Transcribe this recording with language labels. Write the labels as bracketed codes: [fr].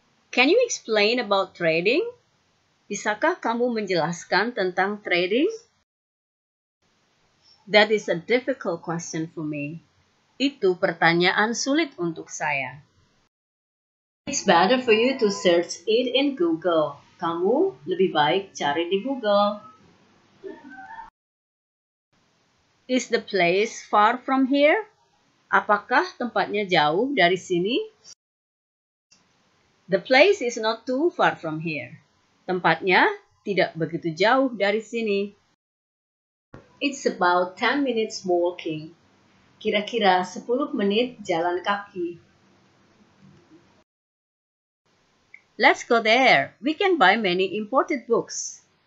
[en] Can you explain about trading? [id] Bisakah kamu menjelaskan tentang trading? [en] That is a difficult question for me. [id] Itu pertanyaan sulit untuk saya. [en] It's better for you to search it in Google. [id] Kamu lebih baik cari di Google. [en] Is the place far from here? [id] Apakah tempatnya jauh dari sini? [en] The place is not too far from here. [id] Tempatnya tidak begitu jauh dari sini. [en] It's about 10 minutes walking. [id] Kira-kira 10 menit jalan kaki. [en] Let's go there. We can buy many imported books.